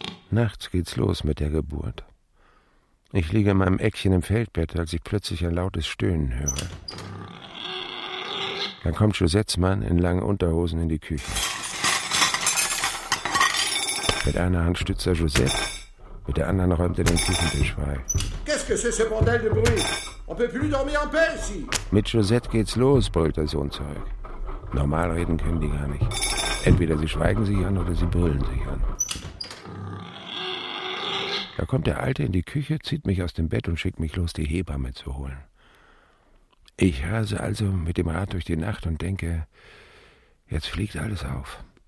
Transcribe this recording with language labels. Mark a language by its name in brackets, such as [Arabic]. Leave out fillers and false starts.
[German] Nachts geht's los mit der Geburt. Ich liege in meinem Eckchen im Feldbett, als ich plötzlich ein lautes Stöhnen höre. Dann kommt Josettes Mann in langen Unterhosen in die Küche. Mit einer Hand stützt er Josette. Mit der anderen räumt er den Küchentisch frei. [French] Qu'est-ce que c'est ce bordel de bruit? On peut plus dormir en paix ici. [German] Mit Josette geht's los, brüllt der Sohn zurück. Normal reden können die gar nicht. Entweder sie schweigen sich an oder sie brüllen sich an. Da kommt der Alte in die Küche, zieht mich aus dem Bett und schickt mich los, die Hebamme zu holen. Ich rase also mit dem Rad durch die Nacht und denke, jetzt fliegt alles auf.